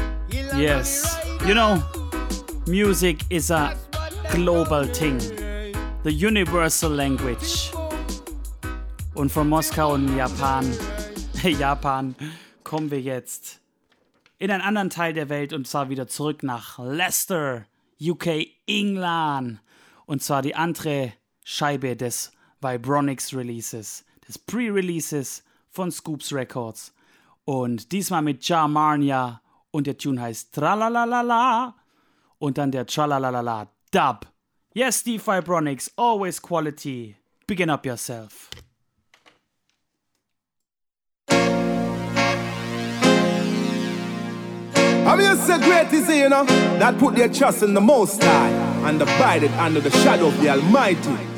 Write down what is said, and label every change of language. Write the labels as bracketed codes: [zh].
[en] Yes, you know, music is a global thing, the universal language. [de] Und von Moskau und Japan, Japan, kommen wir jetzt in einen anderen Teil der Welt und zwar wieder zurück nach Leicester, UK, England. Und zwar die andere Scheibe des Vibronics Releases, des Pre-Releases von Scoops Records. Und diesmal mit Ja Marnia und der Tune heißt Tralalalala und dann der Tralalalala Dub. [en] Yes, Steve Vibronics, always quality. Begin up yourself. I'm used to great is he, you know, that put their trust in the Most High and abided under the shadow of the Almighty.